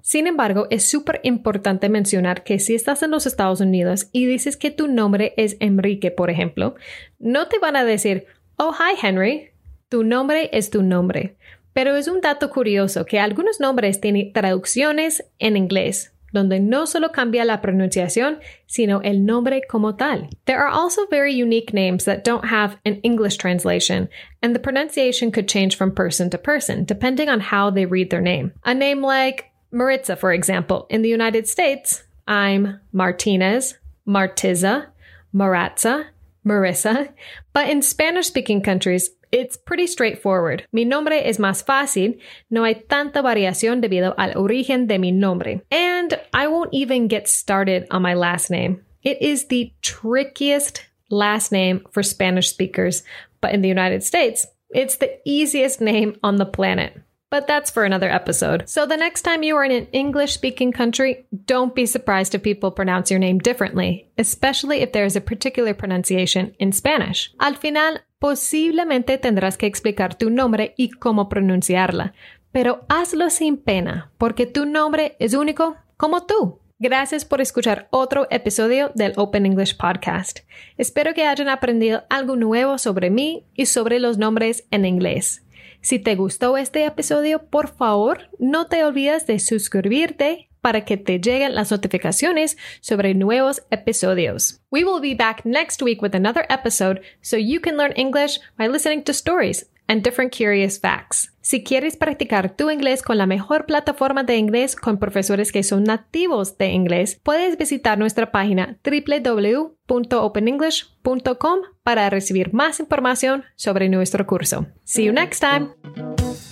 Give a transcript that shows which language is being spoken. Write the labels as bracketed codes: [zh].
[es] Sin embargo, es súper importante mencionar que si estás en los Estados Unidos y dices que tu nombre es Enrique, por ejemplo, no te van a decir, [en] "Oh, hi, Henry." [es] Tu nombre es tu nombre. Pero es un dato curioso que algunos nombres tienen traducciones en inglés, donde no solo cambia la pronunciación, sino el nombre como tal. [en] There are also very unique names that don't have an English translation, and the pronunciation could change from person to person, depending on how they read their name. A name like Maritza, for example, in the United States, I'm Martinez, Martiza, Maratza, Marissa, but in Spanish-speaking countries, it's pretty straightforward. [es] Mi nombre es más fácil. No hay tanta variación debido al origen de mi nombre. [en] And I won't even get started on my last name. It is the trickiest last name for Spanish speakers, but in the United States, it's the easiest name on the planet. But that's for another episode. So the next time you are in an English-speaking country, don't be surprised if people pronounce your name differently, especially if there is a particular pronunciation in Spanish. [es] Al final, posiblemente tendrás que explicar tu nombre y cómo pronunciarla. Pero hazlo sin pena, porque tu nombre es único como tú. Gracias por escuchar otro episodio del Open English Podcast. Espero que hayan aprendido algo nuevo sobre mí y sobre los nombres en inglés. Si te gustó este episodio, por favor, no te olvides de suscribirte para que te lleguen las notificaciones sobre nuevos episodios. [en] We will be back next week with another episode so you can learn English by listening to stories and different curious facts. [es] Si quieres practicar tu inglés con la mejor plataforma de inglés con profesores que son nativos de inglés, puedes visitar nuestra página www.openenglish.com para recibir más información sobre nuestro curso. [en] See you next time!